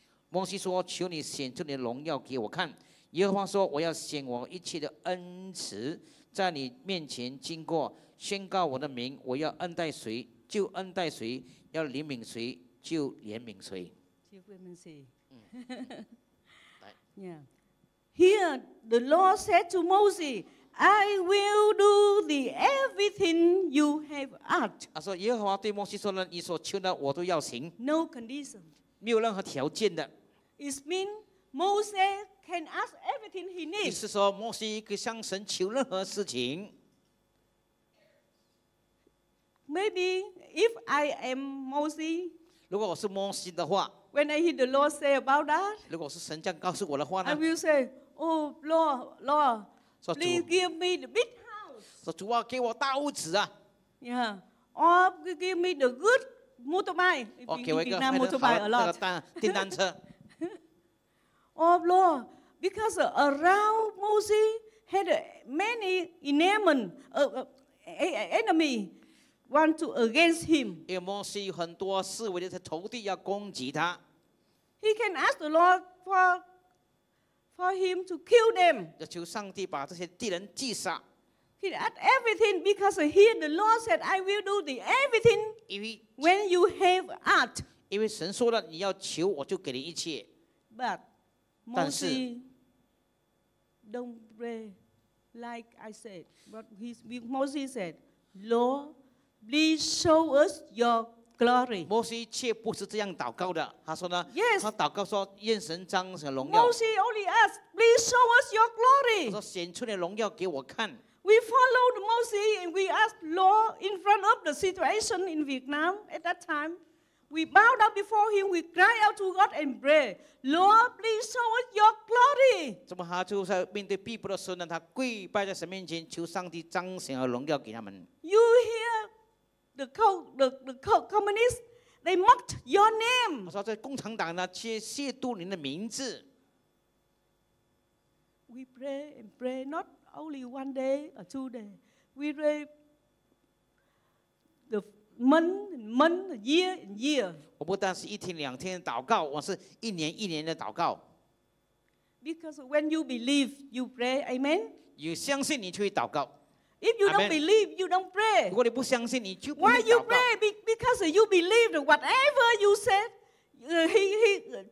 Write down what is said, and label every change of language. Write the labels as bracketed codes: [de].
[zh] 摩西说，求你显出你的荣耀给我看。耶和华说，我要显我一切的恩慈在你面前经过，宣告我的名，我要恩待谁就恩待谁，要怜悯谁就怜悯谁。就怜悯谁。 Yeah. [en] Here the Lord said to Moses, I will do the everything you have asked. [zh] 他说耶和华对摩西说了，你所求的我都要行。 [en] No condition. [zh] 没有任何条件的。 [en] It means Moses can ask everything he needs. [zh] 意思说摩西可以向神求任何事情。 [en] Maybe if I am Moses, [zh] 如果我是摩西的话。 [en] When I hear the Lord say about that, [zh] 如果是神这样告诉我的话呢 [en] ？I will say, Oh Lord, Lord, please give me the big house. [zh] 主啊，给我大屋子啊 [en] ！Yeah, or give me the good motorbike. [zh] 我给我一个好的那个单电单车。 [en] Oh Lord, because around Moses had many enemy want to against him. [zh] 因为摩西有很多四围的仇敌要攻击他。 [en] He can ask the Lord for him to kill them. [zh] 要求上帝把这些敌人击杀。 [en] He asked everything because here the Lord said, "I will do the everything when you have asked." [zh] 因为神说了，你要求我就给你一切。 [en] But Moses don't pray like I said. But Moses said, "Lord, please show us your." Glory. [zh] 摩西却不是这样祷告的。他说呢， yes. 他祷告说：“愿神彰显荣耀。” [en] Moses only asked, "Please show us your glory." [zh] 他说：“显出你的荣耀给我看。” [en] We followed Moses and we asked Lord in front of the situation in Vietnam at that time. We bowed down before him. We cried out to God and prayed, "Lord, please show us your glory." [zh] 怎么他就在面对逼迫的时候呢？他跪拜在神面前，求上帝彰显和荣耀给他们。 [en] You hear? The communists, they mocked your name. [zh] 我说这共产党呢，去亵渎您的名字。 [en] We pray and pray, not only one day or two day. We pray the month and month, the year and year. [zh] 我不但是一天两天祷告，我是一年一年的祷告。 [en] Because when you believe, you pray, amen. [zh] 你相信，你去祷告。 [en] If you don't believe, you don't pray. [zh] 如果你不相信，你就不祷告。 [en] Why you pray? Because you believe whatever you said.